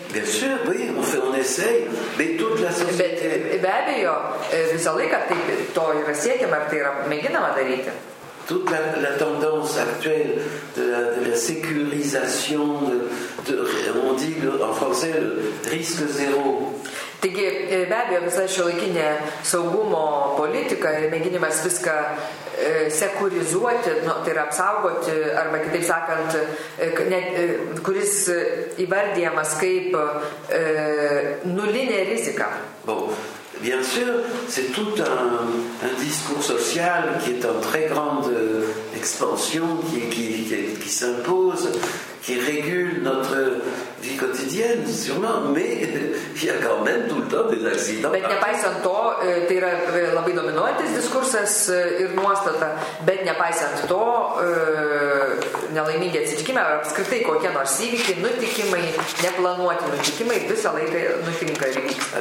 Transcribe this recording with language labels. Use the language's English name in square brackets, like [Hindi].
[French] Bien sûr, oui, on essaye, mais toute la société... [Lithuanian] Be abejo, visą laiką to yra siekiama, ar tai yra mėginama daryti. [French] Toute la tendance actuelle de la sécurisation, on dit en français le risque zéro. [Lithuanian] Taigi, be abejo, visa šiuolaikinė saugumo politika ir mėginimas viską sekurizuoti, tai yra apsaugoti, arba kitaip sakant, kuris įvardyjamas kaip nulinė rizika. [French] Bon. Bien sûr, c'est tout un discours social qui est en très grande expansion, qui s'impose, qui régule notre vie quotidienne, sûrement, mais il y a quand même tout le temps des accidents. [Lithuanian] Bet nepaisant to, tai yra labai dominuojantis diskursas ir nuostata, bet nepaisant to, nelaimingi atsitikimai, ar apskritai kokie nors įvykiai, nutikimai, neplanuoti nutikimai, visą laiką nutinka ir vyksta.